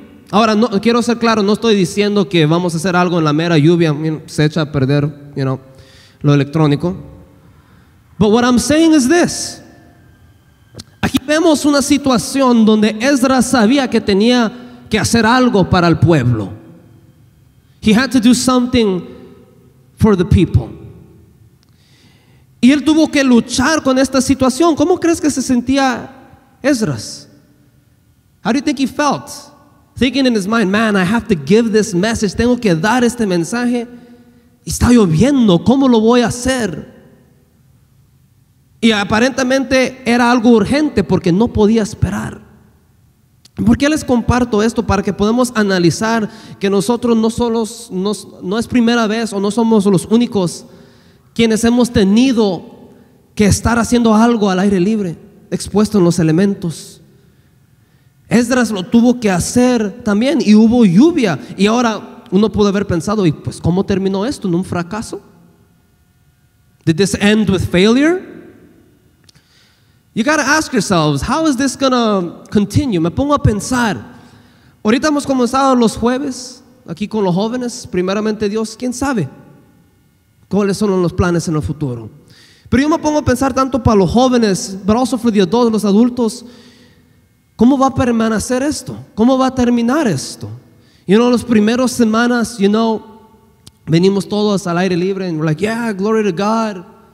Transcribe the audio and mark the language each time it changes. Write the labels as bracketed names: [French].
[Spanish] Ahora, no, quiero ser claro, no estoy diciendo que vamos a hacer algo en la mera lluvia. Se echa a perder, [English] you know, [Spanish] lo electrónico. [English] But what I'm saying is this. [Spanish] Aquí vemos una situación donde Ezra sabía que tenía que hacer algo para el pueblo. [English] He had to do something for the people. [Spanish] Y él tuvo que luchar con esta situación. ¿Cómo crees que se sentía Ezra? [English] How do you think he felt? Thinking in his mind, man, I have to give this message. [Spanish] Tengo que dar este mensaje. Está lloviendo, ¿cómo lo voy a hacer? Y aparentemente era algo urgente porque no podía esperar. ¿Por qué les comparto esto? Para que podamos analizar que nosotros no es primera vez o no somos los únicos quienes hemos tenido que estar haciendo algo al aire libre, expuesto en los elementos. Esdras lo tuvo que hacer también y hubo lluvia. Y ahora uno pudo haber pensado, ¿y pues cómo terminó esto? ¿En un fracaso? [English] ¿Did this end with failure? You gotta ask yourselves, how is this gonna continue? [Spanish] Me pongo a pensar. Ahorita hemos comenzado los jueves aquí con los jóvenes. Primeramente Dios, quién sabe cuáles son los planes en el futuro. Pero yo me pongo a pensar tanto para los jóvenes, [English] but also for the adults, [Spanish] los adultos. ¿Cómo va a permanecer esto? ¿Cómo va a terminar esto? You know, las primeras semanas, you know, venimos todos al aire libre [English] and we're like, yeah, glory to God.